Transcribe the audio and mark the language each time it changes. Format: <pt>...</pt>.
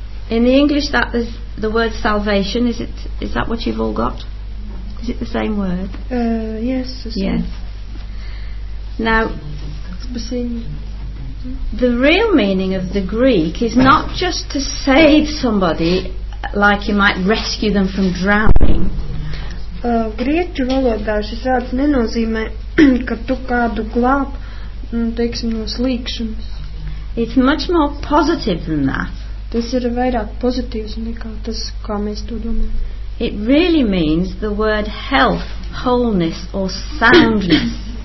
<en>In the English, that is the word salvation. Is it? Is that what you've all got? Is it the same word? Yes. Now, the real meaning of the Greek is not just to save somebody, like you might rescue them from drowning.</en> <lv>Grieķu valodā šis vārds nenozīmē, ka tu kādu glāb, teiksim, no slīkšanas.</lv> <en>It's much more positive than that.</en> <lv>Tas ir vairāk pozitīvs nekā tas, kā mēs to domājam.</lv> <en>It really means the word health, wholeness or soundness.</en>